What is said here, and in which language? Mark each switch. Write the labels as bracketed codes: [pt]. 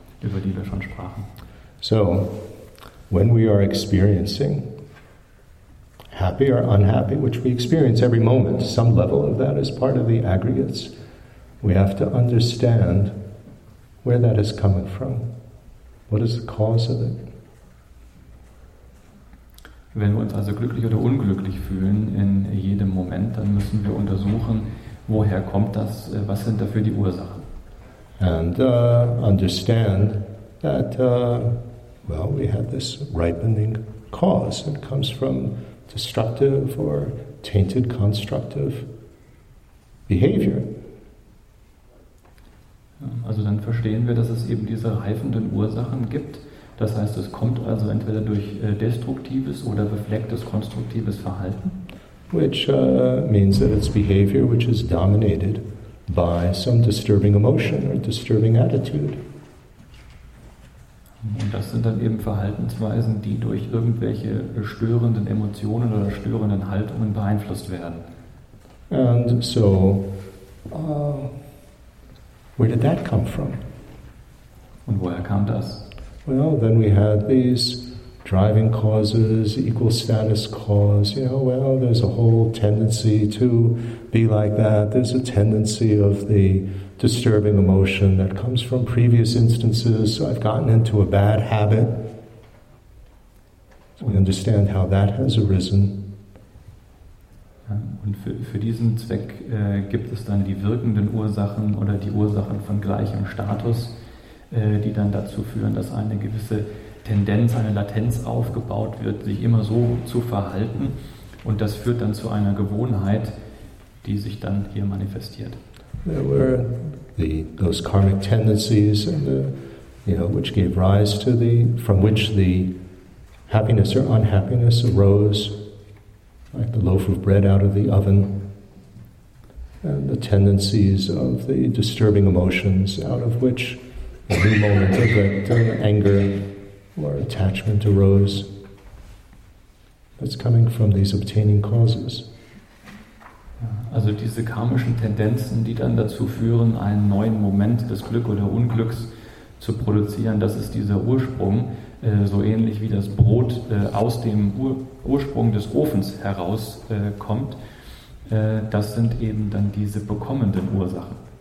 [de] über die wir schon sprachen. [en] So, when we are experiencing happy or unhappy, which we experience every moment, some level of that is part of the aggregates, we have to understand where that is coming from. What is the cause of it? [de] Wenn wir uns also glücklich oder unglücklich fühlen in jedem Moment, dann müssen wir untersuchen, woher kommt das, was sind dafür die Ursachen? [en] And understand that, we have this ripening cause. It comes from destructive or tainted constructive behavior. [de] Also dann verstehen wir, dass es eben diese reifenden Ursachen gibt. Das heißt, es kommt also entweder durch destruktives oder beflecktes konstruktives Verhalten. [en] Which means that it's behavior which is dominated by some disturbing emotion or disturbing attitude. [de] Und das sind dann eben Verhaltensweisen, die durch irgendwelche störenden Emotionen oder störenden Haltungen beeinflusst werden. [en] And so, where did that come from? [de] Und woher kam das? [en] Well, then we had these driving causes, equal status cause, there's a whole tendency to be like that. There's a tendency of the disturbing emotion that comes from previous instances. So I've gotten into a bad habit. So we understand how that has arisen. [de] Und für diesen Zweck gibt es dann die wirkenden Ursachen oder die Ursachen von gleichem Status, die dann dazu führen, dass eine gewisse Tendenz, eine Latenz aufgebaut wird, sich immer so zu verhalten. Und das führt dann zu einer Gewohnheit, die sich dann hier manifestiert. [en] There were those karmic tendencies, and which gave rise to the, from which the happiness or unhappiness arose, like the loaf of bread out of the oven, and the tendencies of the disturbing emotions out of which a new moment of anger or attachment arose. That's coming from these obtaining causes. [de] Also diese karmischen Tendenzen, die dann dazu führen, einen neuen Moment des Glück oder Unglücks zu produzieren, das ist dieser Ursprung, so ähnlich wie das Brot aus dem Ursprung des Ofens herauskommt, das sind eben dann diese bekommenden Ursachen.